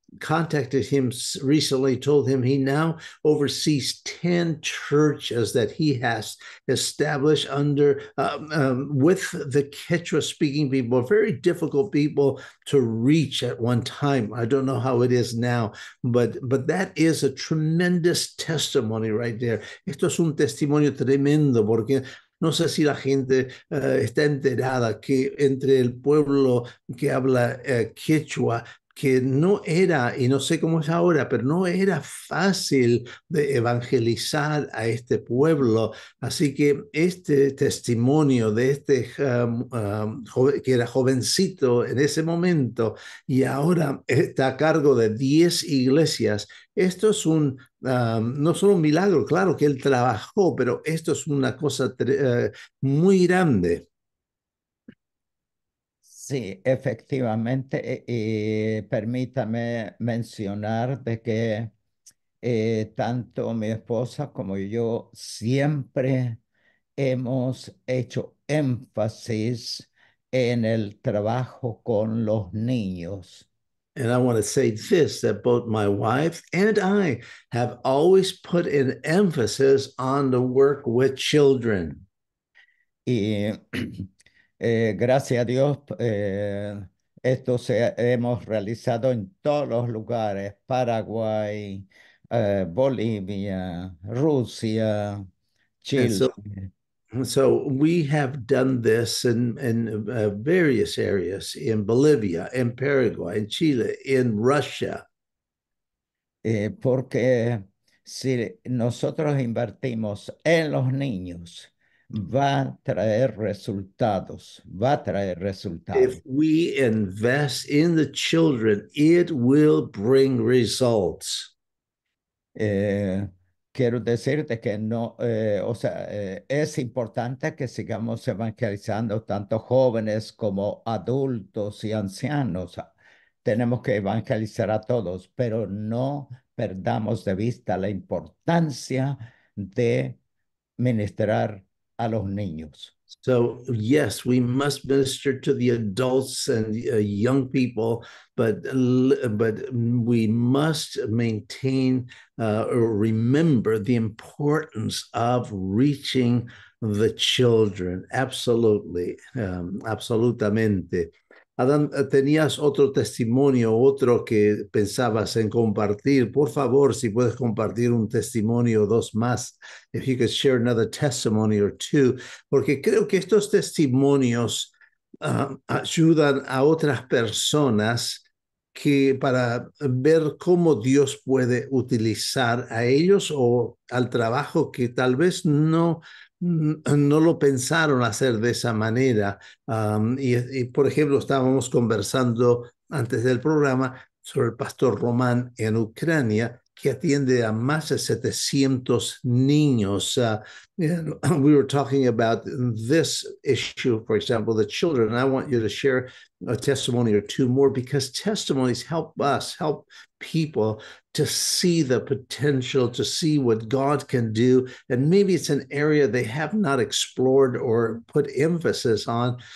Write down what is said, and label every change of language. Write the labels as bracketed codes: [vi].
[en] Contacted him recently, told him he now oversees 10 churches that he has established under with the Quechua speaking people, very difficult people to reach at one time. I don't know how it is now, but that is a tremendous testimony right there. [es] Esto es un testimonio tremendo porque no sé si la gente está enterada que entre el pueblo que habla Quechua, que no era, y no sé cómo es ahora, pero no era fácil de evangelizar a este pueblo. Así que este testimonio de este que era jovencito en ese momento y ahora está a cargo de 10 iglesias, esto es un, no solo un milagro, claro que él trabajó, pero esto es una cosa muy grande. Sí, efectivamente, y permítame mencionar de que tanto mi esposa como yo siempre hemos hecho énfasis en el trabajo con los niños. [en] And I want to say this, that both my wife and I have always put an emphasis on the work with children. [es] Y gracias a Dios, esto se hemos realizado en todos los lugares, Paraguay, Bolivia, Rusia, Chile. [en] So we have done this in various areas, in Bolivia, in Paraguay, in Chile, in Russia. [es] Porque si nosotros invertimos en los niños, va a traer resultados, va a traer resultados. [en] If we invest in the children, it will bring results. [es] Quiero decirte que no, o sea, es importante que sigamos evangelizando tanto jóvenes como adultos y ancianos. Tenemos que evangelizar a todos, pero no perdamos de vista la importancia de ministrar a los niños. [en] So, yes, we must minister to the adults and young people, but we must maintain remember the importance of reaching the children. Absolutely, [es] absolutamente. Adam, tenías otro testimonio, otro que pensabas en compartir. Por favor, si puedes compartir un testimonio o dos más, [en] if you could share another testimony or two, [es] porque creo que estos testimonios ayudan a otras personas que para ver cómo Dios puede utilizar a ellos o al trabajo que tal vez no lo pensaron hacer de esa manera. Y por ejemplo, estábamos conversando antes del programa sobre el pastor Román en Ucrania, que atiende a más de 700 niños. [en] We were talking about this issue, for example, the children. And I want you to share a testimony or two more, because testimonies help us, help people to see the potential, to see what God can do. And maybe it's an area they have not explored or put emphasis on.